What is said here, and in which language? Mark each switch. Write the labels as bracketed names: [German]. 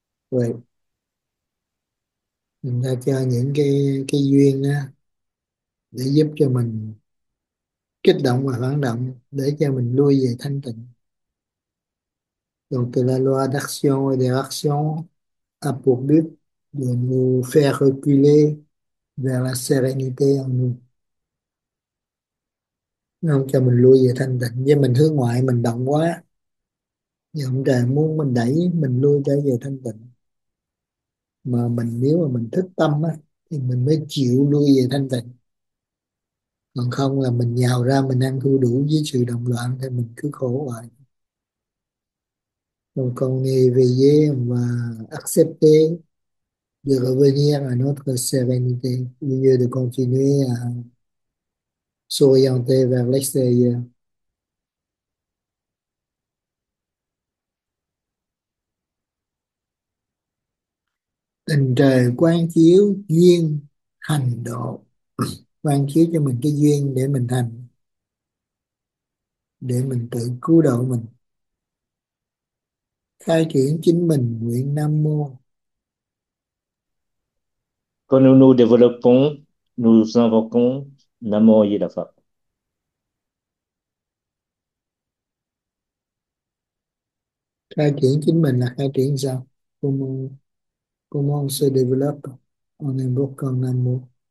[Vietnamese] Vậy mình ta cho những cái duyên đó để giúp cho mình kích động và phản động để cho mình lui về thanh tịnh. [French] Donc, la loi d'action et de réaction a pour but de nous faire reculer vers la sérénité en nous. [Vietnamese] Nó cho mình lui về thanh tịnh. Với mình hướng ngoại, mình động quá. Nhưng ông trời muốn mình đẩy mình lui trở về thanh tịnh. Mà mình nếu mà mình thức tâm á, thì mình mới chịu lui về thanh tịnh. Còn không là mình nhào ra mình ăn thua đủ với sự động loạn thì mình cứ khổ hoài. [French] Donc on est éveillé, on va accepter de revenir à notre sérénité au lieu de continuer à s'orienter vers l'extérieur. [Vietnamese] Tình trời quán chiếu duyên hành độ. Quán chiếu cho mình cái duyên để mình hành, để mình tự cứu độ mình. Khai triển chính mình nguyện Nam Mô. [French] Quand nous nous développons, nous invoquons Namo Yidapha. [Vietnamese] Khai triển chính mình là khai triển sao? [French] Comment se développe en invoquant Nam Mô?